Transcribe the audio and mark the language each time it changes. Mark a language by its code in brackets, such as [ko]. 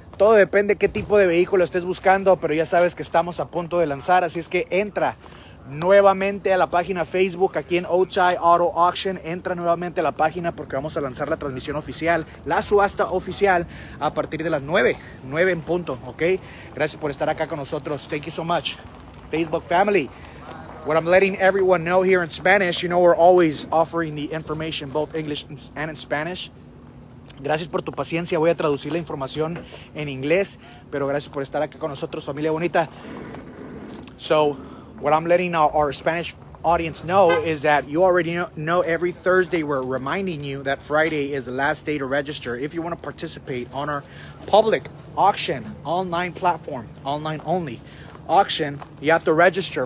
[es] Todo depende qué tipo de vehículo estés buscando, pero ya sabes que estamos a punto de lanzar, así es que entra nuevamente a la página Facebook aquí en Otay Auto Auction. Entra nuevamente a la página porque vamos a lanzar la transmisión oficial, la subasta oficial, a partir de las 9 en punto, ok. Gracias por estar acá con nosotros. [en] Thank you so much, Facebook family. What I'm letting everyone know here in Spanish, you know, we're always offering the information both English and in Spanish. [es] Gracias por tu paciencia, voy a traducir la información en inglés, pero gracias por estar acá con nosotros, familia bonita. [en] So what I'm letting our Spanish audience know is that you already know every Thursday we're reminding you that Friday is the last day to register. If you want to participate on our public auction online platform, online only auction, you have to register.